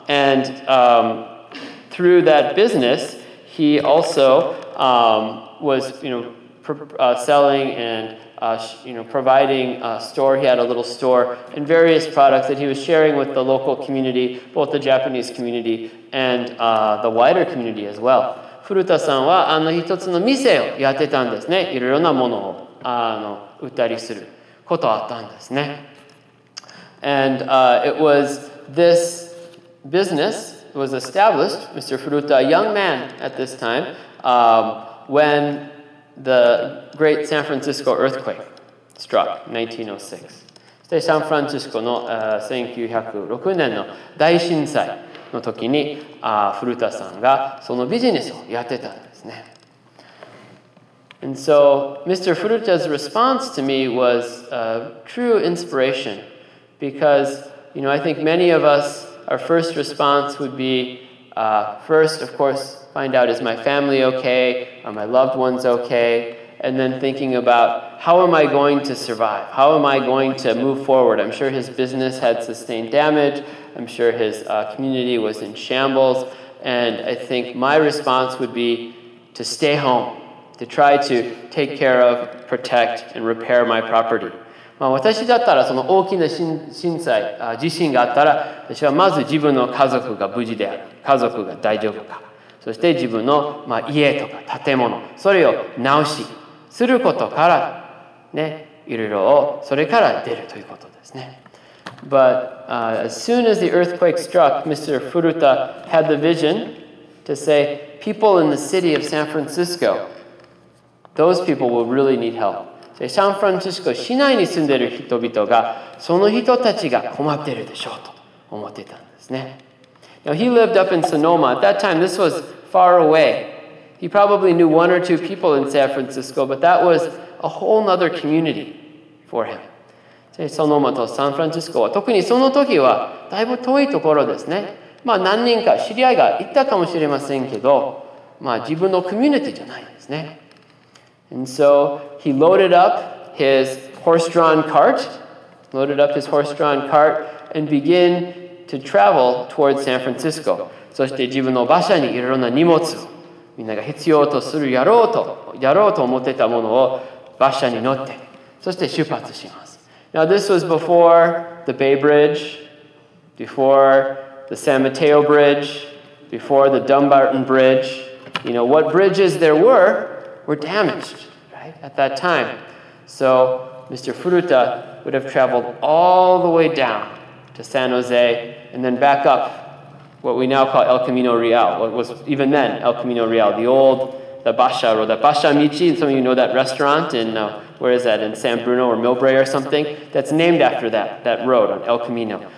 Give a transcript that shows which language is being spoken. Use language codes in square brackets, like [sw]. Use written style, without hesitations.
[en] And through that business, he also was, you know, selling and you know, providing a store. He had a little store and various products that he was sharing with the local community, both the Japanese community and the wider community as well. [ja] Furuta-san は一つの店をやってたんですね。いろいろなものを売ったりすることあったんですね。 [en] And it was this business was established, Mr. Furuta, a young man at this time, when the great San Francisco earthquake struck, 1906. [ja] サンフランシスコの1906年の大震災の時に、フルタさんがそのビジネスをやってたんですね。 [en] And so, Mr. Furuta's response to me was a true inspiration, because, you know, I think many of us, our first response would be, first, of course, find out, is my family okay? Are my loved ones okay? And then thinking about, how am I going to survive? How am I going to move forward? I'm sure his business had sustained damage. I'm sure his community was in shambles. And I think my response would be to stay home, to try to take care of, protect, and repair my property. [ja] まあ、私だったらその大きな震災、地震があったら、私はまず自分の家族が無事である。家族が大丈夫か。そして自分の、まあ、家とか建物、それを直しすることから、ね、いろいろをそれから出るということですね。 [en] But as soon as the earthquake struck, Mr. Furuta had the vision to say, people in the city of San Francisco, those people will really need help. [ja] サンフランシスコ市内に住んでいる人々が、その人たちが困っているでしょうと思っていたんですね。 [en] Now, he lived up in Sonoma. At that time, this was far away. He probably knew one or two people in San Francisco, but that was a whole other community for him. [ja] ソノマとサンフランシスコは、特にその時はだいぶ遠いところですね。まあ何人か知り合いがいたかもしれませんけど、まあ自分のコミュニティじゃないんですね。 [en] And so he loaded up his horse-drawn cart, and began to travel towards San Francisco. [ja] そして自分の馬車にいろんな荷物を、みんなが必要とするやろうと思ってたものを馬車に乗って、そして出発します。 [en] Now, this was before the Bay Bridge, before the San Mateo Bridge, before the Dumbarton Bridge. You know, what bridges there were damaged, right, at that time. So Mr. Furuta would have traveled all the way down to San Jose and then back up what we now call El Camino Real, what was even then El Camino Real, the old, the Basha Road, the Basha Michi, and some of you know that restaurant in, where is that, in San Bruno or Millbrae or something, that's named after that road on El Camino.